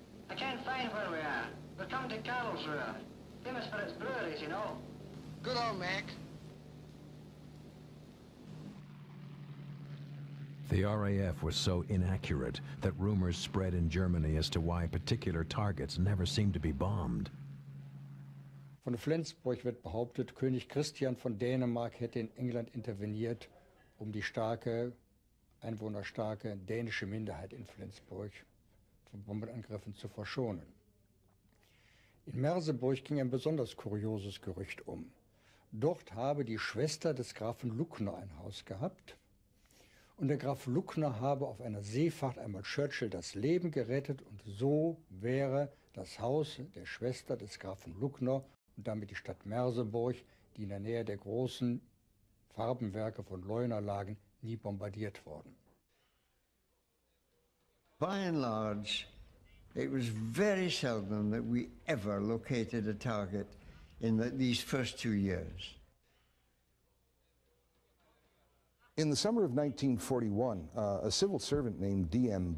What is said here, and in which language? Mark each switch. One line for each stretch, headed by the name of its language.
English: I can't find where we are. We've come to Karlsruhe. Famous for its breweries, you know. Good old Mac. The RAF was so inaccurate that rumors spread in Germany as to why particular targets never seemed to be bombed.
German: Von Flensburg wird behauptet, König Christian von Dänemark hätte in England interveniert, um die starke, einwohnerstarke dänische Minderheit in Flensburg von Bombenangriffen zu verschonen. In Merseburg ging ein besonders kurioses Gerücht um. Dort habe die Schwester des Grafen Luckner ein Haus gehabt. Und der Graf Luckner habe auf einer Seefahrt einmal Churchill das Leben gerettet und so wäre das Haus der Schwester des Grafen Luckner und damit die Stadt Merseburg, die in der Nähe der großen Farbenwerke von Leuna lagen, nie bombardiert worden.
English: By and large, it was very seldom that we ever located a target in these first 2 years. In the summer of 1941, a civil servant named D.M.